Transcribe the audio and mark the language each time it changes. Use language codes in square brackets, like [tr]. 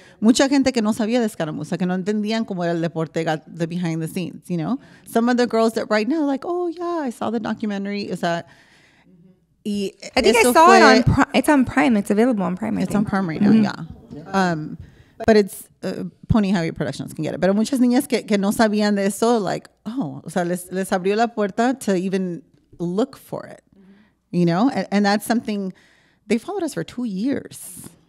[es] Mucha gente que no sabía de escaramuza, que no entendían cómo era el deporte, [en] the behind the scenes, you know. Some of the girls that right now are like, oh, yeah, I saw the documentary. [es] O sea, [en] I think I saw it on Prime. It's on Prime. It's available on Prime. It's on Prime right now, mm-hmm. Yeah. But it's Pony Highway Productions can get it. [es] Pero muchas niñas que no sabían de eso, like, oh, o sea, les abrió la puerta [en] to even look for it, [es] mm-hmm. [en] You know? And that's something, they followed us for 2 years.